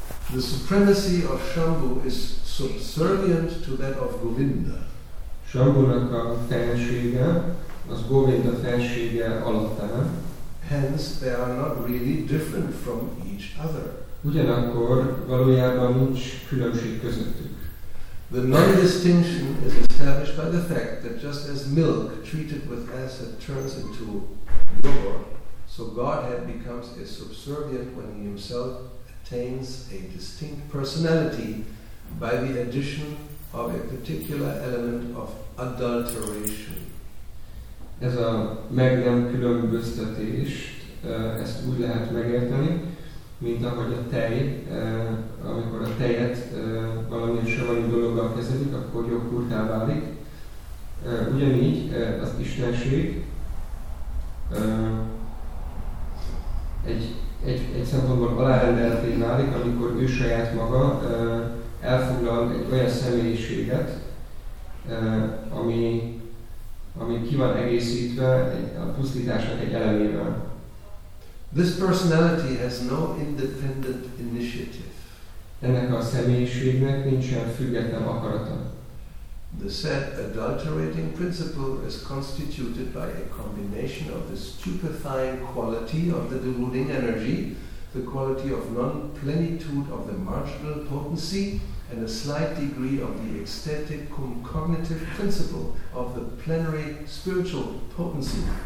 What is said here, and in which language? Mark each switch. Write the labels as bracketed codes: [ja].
[en] The supremacy of Shambhu is subservient to that of Govinda. [hu] Shambhunak a fensége az Govinda fensége alatt áll. [en] Hence they are not really different from each other. [hu] Ugyanakkor valójában nincs különbség közöttük. [en] The non-distinction is established by the fact that just as milk treated with acid turns into yogurt, so Godhead becomes a subservient when he himself attains a distinct personality by the addition of a particular element of adulteration. [hu] Ez a meg nem különböztetés, ezt úgy lehet megérteni, mint ahogy a tej, amikor a tejet valamilyen savanyú dologgal kezelik, akkor joghurtá válik. Ugyanígy az istenség egy szempontból alárendelté válik, amikor ő saját maga elfoglal egy olyan személyiséget, ami ki van egészítve a pusztításnak egy elemével. [en] This personality has no independent initiative. [hu] Ennek a személyiségnek nincsen független akarata. [en] The said adulterating principle is constituted by a combination of the stupefying quality of the deluding energy, the quality of non-plenitude of the marginal potency, and a slight degree of the ecstatic cognitive principle of the plenary spiritual potency.